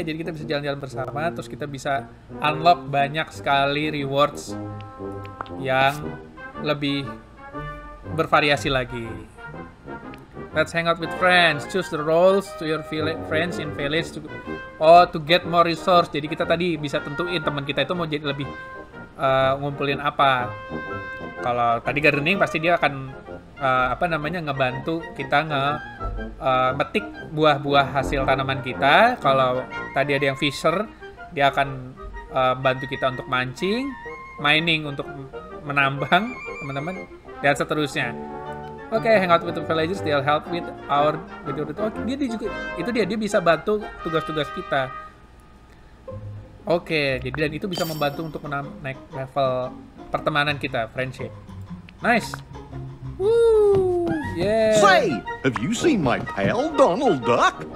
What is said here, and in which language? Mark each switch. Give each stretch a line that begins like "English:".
Indonesian: Jadi kita bisa jalan-jalan bersama, terus kita bisa unlock banyak sekali rewards yang lebih bervariasi lagi.
English: Let's hang out with friends. Choose the roles to your friends in village to get more resource.
Indonesian: Jadi kita tadi bisa tentuin teman kita itu mau jadi lebih ngumpulin apa. Kalau tadi gardening pasti dia akan ngebantu kita metik buah-buah hasil tanaman kita. Kalau tadi ada yang fisher, dia akan bantu kita untuk mancing, mining untuk menambang, teman-teman, dan seterusnya.
English: Oke, okay, hang out with the villagers, they'll help with our with okay,
Indonesian: dia juga itu dia bisa bantu tugas-tugas kita. Oke, okay, jadi dan itu bisa membantu untuk naik level pertemanan kita, friendship.
English: Nice. Woo! Yeah. Say, have you seen my pal Donald Duck?